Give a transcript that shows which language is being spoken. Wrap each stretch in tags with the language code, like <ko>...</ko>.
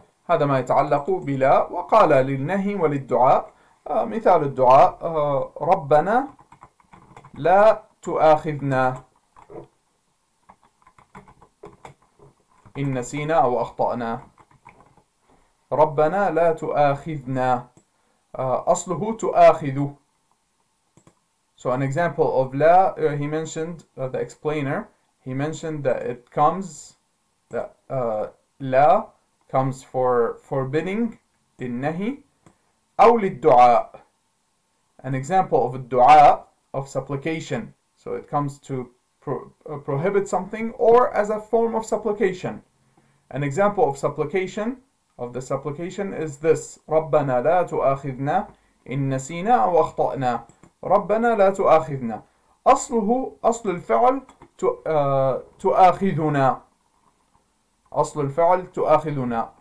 <ar>هذا ما يتعلق بلا. وقال للنهي وللدعاء, مثال الدعاء ربنا لا تؤاخذنا إن نسينا أو أخطأنا. ربنا لا تؤاخذنا أصله تؤاخذ.</ar> <en>So an example of لا, he mentioned the explainer, he mentioned that it comes, that لا comes for forbidding,</en> <ar>للنهي أو للدعاء.</ar> <en>An example of الدعاء, of supplication. So it comes to prohibit something or as a form of supplication. An example of supplication, of the supplication is this,</en> <ar>ربنا لا تؤاخذنا إن نسينا أو أخطأنا. ربنا لا تؤاخذنا, أصله, أصل الفعل تؤاخذنا, أصل الفعل تؤاخذنا.</ar>